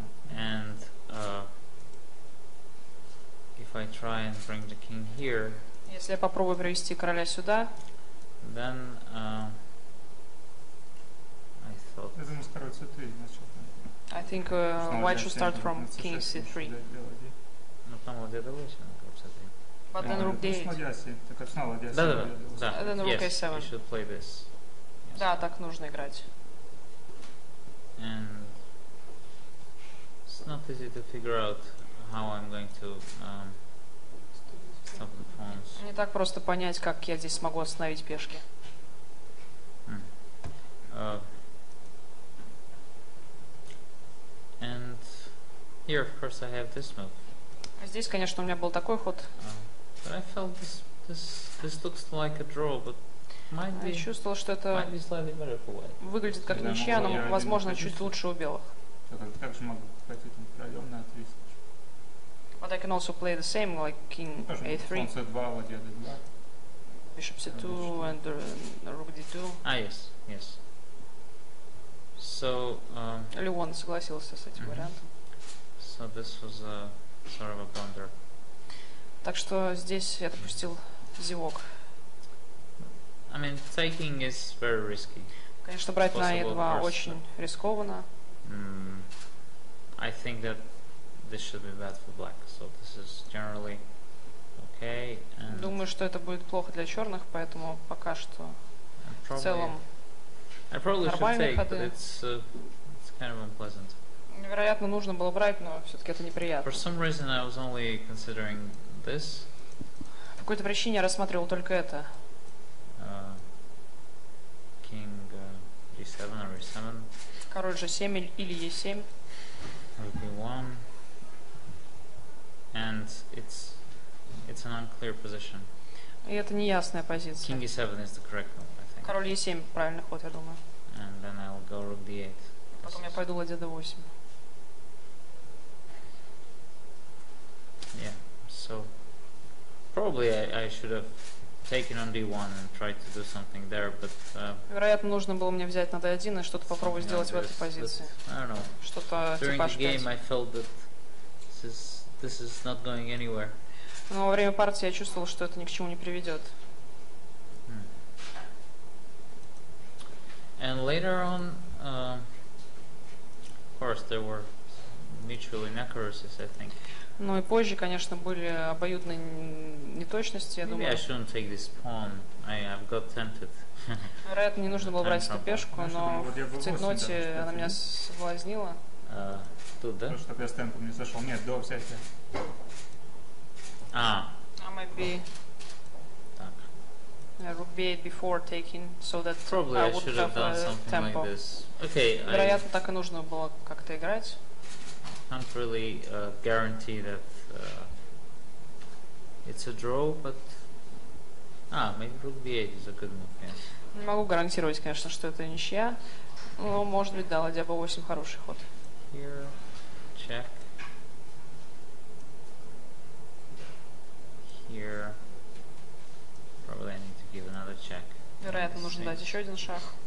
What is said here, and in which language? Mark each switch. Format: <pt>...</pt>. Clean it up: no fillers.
<en>And if I try and bring the king here.</en> <ru>Если я попробую привести короля сюда.</ru> <en>Then I thought.</en> <ru>Я думаю, король c3 начал.</ru> <en>I think white should start from king c3.</en> <ru>Но там ладья d8, а король c3.</ru> <en>But then rook d8.</en> <ru>Ладья c7, так как снова ладья c7. Да.</ru> <en>Then rook yes, a7. You should play this. Yes.</en> <ru>Да, так нужно играть.</ru> <en>And it's not easy to figure out how I'm going to stop the pawns.</en> <ru>Не так просто понять, как я здесь смогу остановить пешки.</ru> <en>And here, of course, I have this move.</en> <ru>А здесь, конечно, у меня был такой ход.</ru> <en>But I felt this. This looks like a draw, but might be.</en> <ru>Я чувствовал, что это выглядит как ничья, но, возможно, чуть лучше у белых. Как же могу пойти там королем на e3?</ru> <en>But I can also play the same, like king a3.</en> <ru>Слон c2, ладья d2.</ru> <en>Bishop c2 and rook d2. Ah, yes, yes. So.</en> <ru>Леон согласился с этим вариантом.</ru> <en>So this was a sort of a blunder.</en> <ru>Так что здесь я допустил зевок.</ru> <en>I mean, taking is very risky.</en> <ru>Конечно, брать на e2 очень рискованно.</ru> <en>I think that this should be bad for black, so this is generally okay. And</en> <ru>думаю, что это будет плохо для черных, поэтому пока что в целом нормальные ходы.</ru> <en>It's kind of unpleasant.</en> <ru>Вероятно, нужно было брать, но все-таки это неприятно.</ru> <en>For some reason, I was only considering this.</en> <ru>По какой-то причине я рассматривал только это.</ru> <en>King e7 or e7.</en> <ru>Король же 7 или e7.</ru> <en>Rook e1. And it's an unclear position.</en> <ru>И это неясная позиция.</ru> <en>King e7 is the correct move, I think.</en> <ru>Король e7 правильный ход, я думаю.</ru> <en>And then I'll go rook d8.</en> <ru>Потом я пойду ладья d8.</ru> <en>Yeah, so probably I should have taken on d1 and tried to do something there, but</en> <ru>вероятно, нужно было мне взять на d1 и что-то попробовать сделать в этой позиции. Что-то типа h5.</ru> <en>During the game I felt that this is not going anywhere.</en> <ru>Но во время партии я чувствовал, что это ни к чему не приведет.</ru> <en>And later on, of course, there were mutual inaccuracies, I think.</en> <ru>Ну и позже, конечно, были обоюдные неточности, я</ru> <en>Maybe</en> <ru>думаю.</ru> <en>I shouldn't take this pawn. I've got tempted.</en> <ru>Вероятно, не нужно было брать эту пешку, но в цепноте она меня соблазнила. Тут, да? Потому что я с темпом не зашел. Нет, до взятия. А. А,</ru> <en>maybe.</en> <ru>Так.</ru> <en>Rook b8 before taking, so that probably I would have done something like this. Okay,</en> <ru>вероятно, так и нужно было как-то играть.</ru> <en>Can't really guarantee that it's a draw, but maybe rook b8 is a good move. Yeah.</en> <ru>Не могу гарантировать, конечно, что это ничья, но может быть, да, ладья b8 хороший ход.</ru> <en>Here, check. Here. Probably I need to give another check.</en> <ru>Вероятно, нужно дать еще один шаг.</ru>